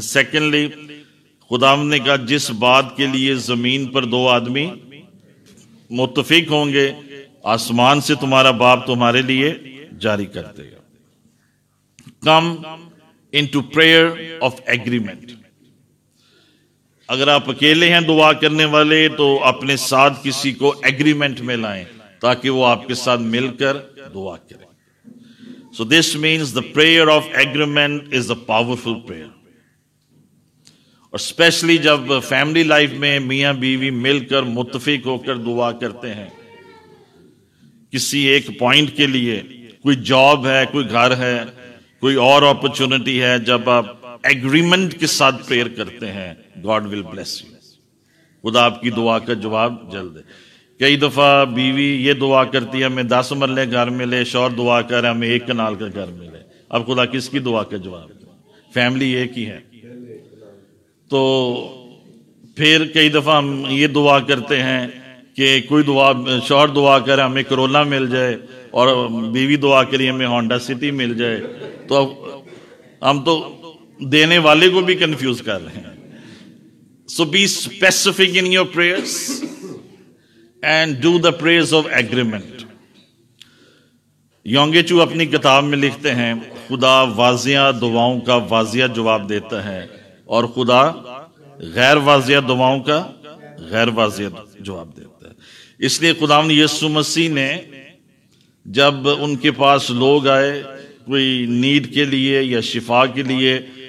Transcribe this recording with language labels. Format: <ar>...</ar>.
<ur>And secondly, خدا نے کہا جس بات کے لیے زمین پر دو آدمی متفق ہوں گے آسمان سے تمہارا باپ تمہارے لیے جاری کر دے گا.</ur> <en>Come into prayer of agreement.</en> <ur>اگر آپ اکیلے ہیں دعا کرنے والے تو اپنے ساتھ کسی کو ایگریمنٹ میں لائیں تاکہ وہ آپ کے ساتھ مل کر دعا کریں.</ur> <en>So this means the prayer of agreement is a powerful prayer.</en> <ur>اور اسپیشلی جب فیملی لائف میں میاں بیوی مل کر متفق ہو کر دعا کرتے ہیں کسی ایک پوائنٹ کے لیے, کوئی جاب ہے, کوئی گھر ہے, کوئی اور اپرچونٹی ہے, جب آپ ایگریمنٹ کے ساتھ پریئر کرتے ہیں,</ur> <en>God will bless you,</en> <ur>خدا آپ کی دعا کا جواب جلد ہے. کئی دفعہ بیوی یہ دعا کرتی ہے ہمیں 10 مرلے گھر ملے, شوہر دعا کر رہے ہمیں 1 کنال کا گھر ملے. اب خدا کس کی دعا کا جواب دے, فیملی ایک ہی ہے. تو پھر کئی دفعہ ہم یہ دعا کرتے ہیں کہ کوئی دعا, شوہر دعا کرے ہمیں کرولا مل جائے, اور بیوی دعا کری ہمیں ہانڈا سٹی مل جائے. تو اب ہم تو دینے والے کو بھی کنفیوز کر رہے ہیں.</ur> <en>So be specific in your prayers and do the prayers of agreement.</en> <ur>یونگے چو اپنی کتاب میں لکھتے ہیں خدا واضح دعاؤں کا واضح جواب دیتا ہے, اور خدا غیر واضح دعاؤں کا غیر واضح جواب دیتا ہے. اس لیے خدا یسوع مسیح نے جب ان کے پاس لوگ آئے کوئی نیڈ کے لیے یا شفا کے لیے,</ur>